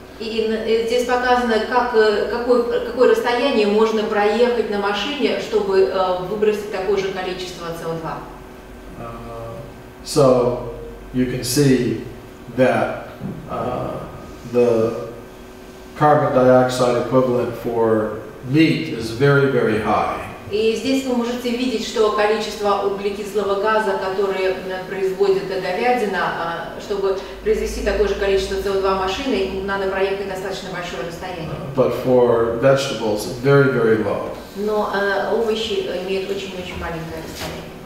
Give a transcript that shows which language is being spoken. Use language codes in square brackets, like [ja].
[ru] И здесь показано, какое расстояние можно проехать на машине, чтобы выбросить такое же количество CO2. [en] So you can see that the carbon dioxide equivalent for meat is very, very high. [ru] И здесь вы можете видеть, что количество углекислого газа, которое производит говядина, чтобы произвести такое же количество CO2 машины, надо проехать достаточно большое расстояние. [en] But for vegetables, very, very low. [ru] Но овощи имеют очень-очень маленькое расстояние.